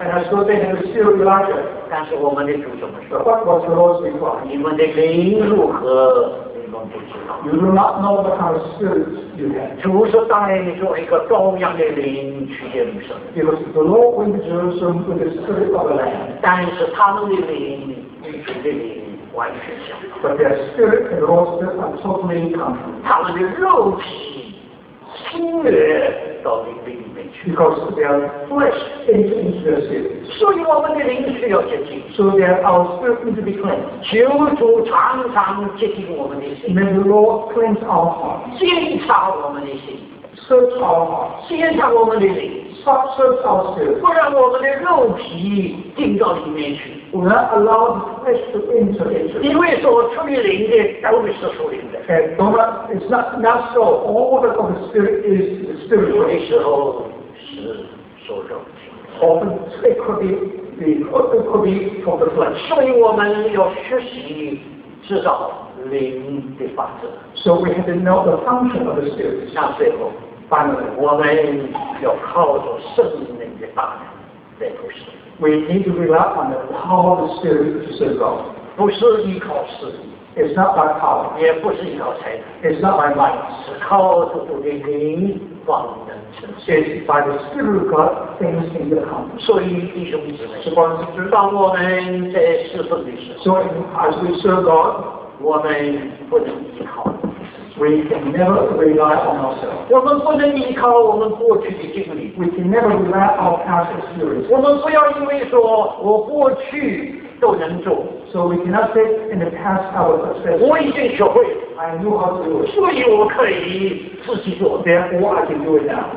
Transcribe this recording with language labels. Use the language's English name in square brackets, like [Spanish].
[English] And I saw they had a seal of Elijah [Chinese] 但是我们的主怎么说 [English] What was the Lord's reply? [Chinese] 你们的灵如何 [English] You do not know the kind of spirit you have. [Chinese] 主是带领你做一个羔羊的灵去耶路撒冷。 [English] Because the Lord went to Jerusalem with the spirit of a lamb. [Chinese] 但是他们的灵与主的灵完全相同。 [English] But their spirit and raw spirit are totally different. [Chinese] 他们的肉体侵略到灵里面去。 [English] Because their flesh entered into their spirit. [Chinese] 所以我们的灵需要洁净。 [English] So that our spirit needs to be cleansed. [Chinese] 求主常常洁净我们的心。 [English] May the Lord cleanse our hearts. [Chinese] 检查我们的心。 [English] Search our hearts. [Chinese] 检查我们的灵。 [English] Search our spirit. [Chinese] 不让我们的肉体进到里面去。 [English] We not allow the flesh to enter into it. [Chinese] 因为所出于灵的都是属灵的。 [English] And don't let, it's not natural. All that of the spirit is the spirit. [Chinese] 有的时候是属肉体。 [English] Often it could be from the flesh. [Chinese] 所以我们要学习知道灵的法则。 [English] So we have to know the function of the spirit. [Chinese] 那最后 [English] finally, [Chinese] 我们要靠着圣灵的大能来服侍。 [English] We need to rely on the power of the Spirit to serve God. [Chinese] 不是依靠势力。 [English] It's not by power. [Chinese] 也不是依靠才能。 [English] It's not by might. [Chinese] 是靠着主的灵方能成事。 [English] It's by the Spirit of God things can be accomplished. [Chinese] 所以弟兄姊妹，是光是当我们在侍奉的时候 [English] ，So as we serve God, [Chinese] 我们不能依靠。 [English] We can never rely on ourselves. [Chinese] 我们不能依靠我们过去的经历。 [English] We can never rely on our past experience. [Chinese] 我们不要因为说我过去都能做。 [English] So we cannot say in the past I was successful. [Chinese] 我已经学会了。 [English] I knew how to do it. [Chinese] 所以我可以自己做。 [English] Therefore, I can do it now.